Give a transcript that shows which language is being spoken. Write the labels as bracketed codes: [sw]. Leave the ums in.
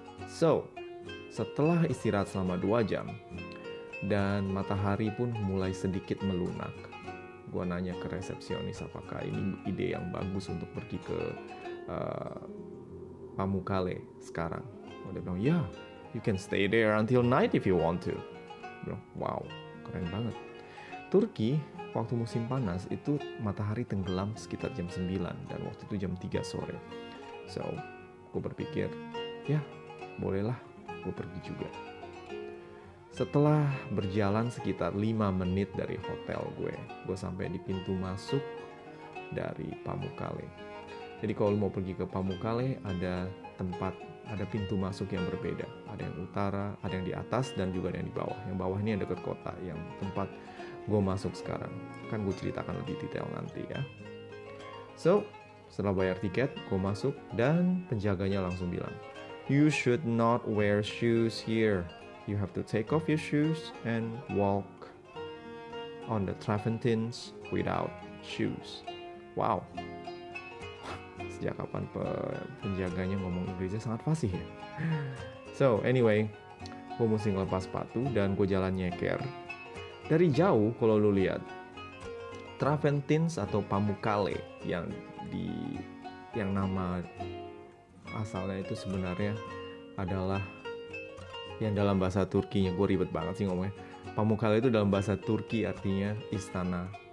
[id] So, setelah istirahat selama dua jam, dan matahari pun mulai sedikit melunak. Gua nanya ke resepsionis apakah ini ide yang bagus untuk pergi ke uh, Pamukkale sekarang. Oh, dia bilang, ya, [en] yeah, you can stay there until night if you want to. [id] Bilang, wow, keren banget. Turki, waktu musim panas itu matahari tenggelam sekitar jam 9 dan waktu itu jam 3 sore. So, gue berpikir, ya, yeah, bolehlah gue pergi juga. Setelah berjalan sekitar 5 menit dari hotel gue, gue sampai di pintu masuk dari Pamukkale. Jadi kalau mau pergi ke Pamukkale ada tempat ada pintu masuk yang berbeda. Ada yang utara, ada yang di atas dan juga ada yang di bawah. Yang bawah ini yang dekat kota yang tempat gue masuk sekarang. Kan gue ceritakan lebih detail nanti ya. So, setelah bayar tiket, gue masuk dan penjaganya langsung bilang, [en] "You should not wear shoes here." you have to take off your shoes and walk on the travertines without shoes. Wow. [id] Sejak kapan pe- penjaganya ngomong Inggrisnya sangat fasih ya? so, anyway, gue mesti ngelepas sepatu dan gue jalan nyeker. Dari jauh, kalau lu lihat, Traventins atau pamukale yang di yang nama asalnya itu sebenarnya adalah yang dalam bahasa Turki-nya gue ribet banget sih ngomongnya Pamukkale itu dalam bahasa Turki artinya istana